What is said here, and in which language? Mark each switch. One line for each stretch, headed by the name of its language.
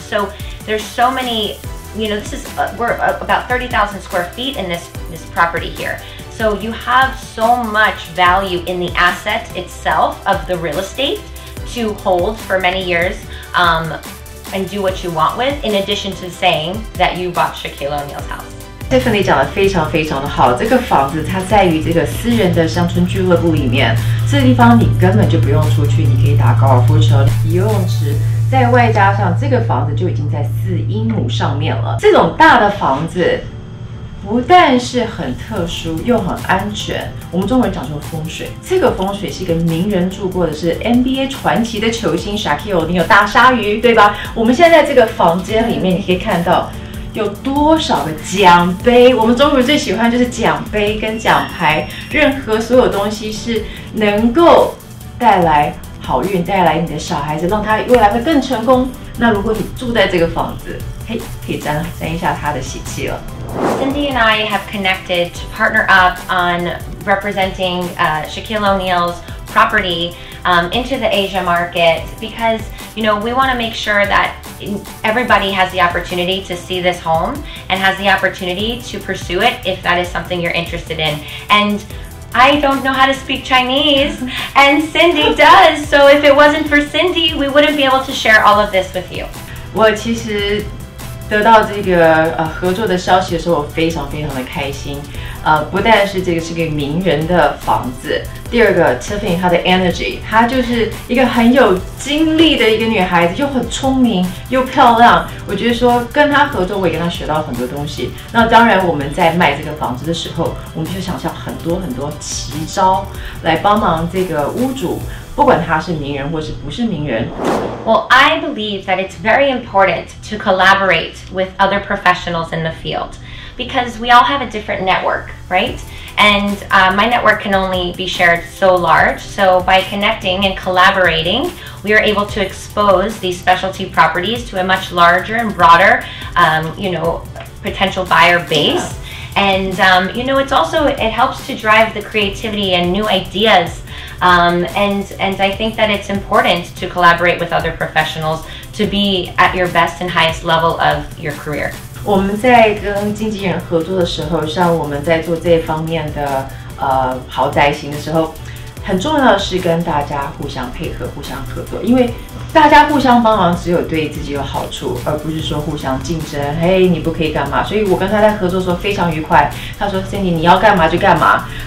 English: So there's so many, you know, we're about 30,000 square feet in this property here. So you have so much value in the asset itself of the real estate. To hold for many years and do what you want with, in addition to saying that you bought Shaquille O'Neal's house.
Chinese: Tiffany 讲得非常非常的好，这个房子它在于这个私人的乡村俱乐部里面，这个地方你根本就不用出去，你可以打高尔夫球、游泳池，在外加上这个房子就已经在四英亩上面了。这种大的房子不但是很特殊又很安全，我们中文讲说风水，这个风水是一个名人住过的，是 NBA 传奇的球星 Shaquille O'Neil 大鲨鱼，对吧？我们现在这个房间里面你可以看到有多少个奖杯，我们中国人最喜欢就是奖杯跟奖牌，任何所有东西是能够带来好运，带来你的小孩子，让他未来会更成功。那如果你住在这个房子，嘿，可以沾一下他的喜气了。
English: Cindy and I have connected to partner up on representing Shaquille O'Neal's property into the Asia market because, you know, we want to make sure that everybody has the opportunity to see this home and has the opportunity to pursue it if that is something you're interested in. And I don't know how to speak Chinese, and Cindy does. So if it wasn't for Cindy, we wouldn't be able to share all of this with you. Well, actually...
Chinese: 得到这个合作的消息的时候，我非常非常的开心。不但是这个是个名人的房子，第二个 Tiffany 她的 energy， 她就是一个很有精力的一个女孩子，又很聪明又漂亮。我觉得说跟她合作，我也跟她学到很多东西。那当然，我们在卖这个房子的时候，我们就想象很多很多奇招来帮忙这个屋主。不管他是名人或是不是名人。
English: Well, I believe that it's very important to collaborate with other professionals in the field because we all have a different network, right? And my network can only be shared so large. So by connecting and collaborating, we are able to expose these specialty properties to a much larger and broader, you know, potential buyer base. Yeah. And, you know, it helps to drive the creativity and new ideas. And I think that it's important to collaborate with other professionals to be at your best and highest level of your career.
Chinese: 我们在跟经纪人合作的时候，像我们在做这方面的豪宅型的时候，很重要的是跟大家互相配合、互相合作，因为大家互相帮忙只有对自己有好处，而不是说互相竞争。嘿，你不可以干嘛？所以我跟他在合作的时候非常愉快。他说 ：“Cindy， 你要干嘛就干嘛。”